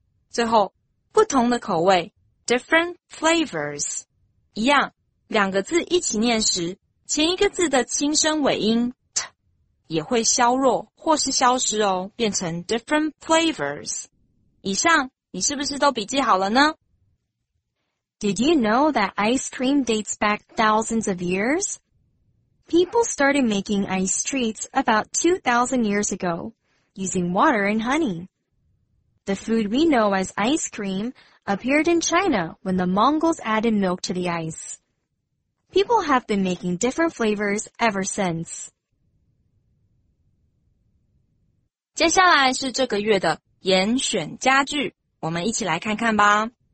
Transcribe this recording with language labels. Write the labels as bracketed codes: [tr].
[zh] 最后，不同的口味 ， [en] different flavors， [zh] 一样，两个字一起念时，前一个字的轻声尾音 t 也会削弱或是消失哦，变成 different flavors。以上。你是不是都笔记好了呢？ [en] Did you know that ice cream dates back thousands of years? People started making ice treats about 2,000 years ago, using water and honey. The food we know as ice cream appeared in China when the Mongols added milk to the ice. People have been making different flavors ever since. [zh] 接下来是这个月的严选佳句，我们一起来看看吧。